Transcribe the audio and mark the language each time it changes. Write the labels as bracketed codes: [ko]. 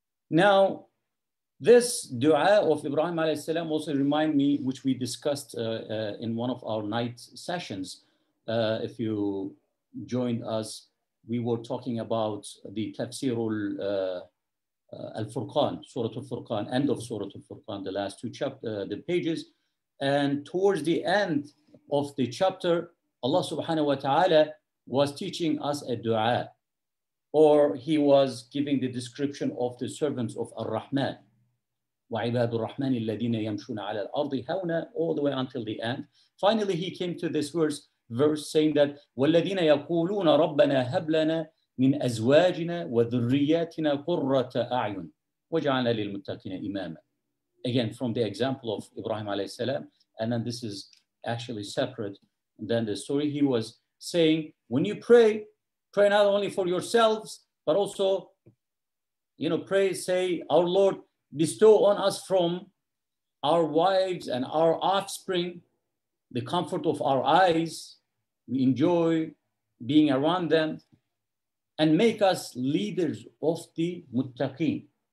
[en] Now, this dua of Ibrahim alayhi salam also remind me, which we discussed in one of our night sessions, if you joined us, we were talking about the Tafsir al-Furqan, Surah al-Furqan, end of Surah al-Furqan, the last two chapters, the pages. And towards the end of the chapter, Allah subhanahu wa ta'ala was teaching us a dua, or he was giving the description of the servants of Ar-Rahman. [ar] وَعِبَادُ الرَّحْمَنِ الَّذِينَ يَمْشُونَ عَلَى الْأَرْضِ هَوْنًا, all the way until the end. Finally, he came to this verse saying that وَالَّذِينَ يَقُولُونَ رَبَّنَا هَبْ لَنَا مِنْ أَزْوَاجِنَا وَذُرِّيَّاتِنَا قُرَّةَ أَعْيُنٍ وَجَعَلْنَا لِلْمُتَّقِينَ إِمَامًا. [en] Again, from the example of Ibrahim alayhi salam, and then this is actually separate than the story. He was saying, when you pray not only for yourselves, but also, you know, pray, say, "Our Lord, bestow on us from our wives and our offspring the comfort of our eyes, we enjoy being around them, and make us leaders of the muttaqin."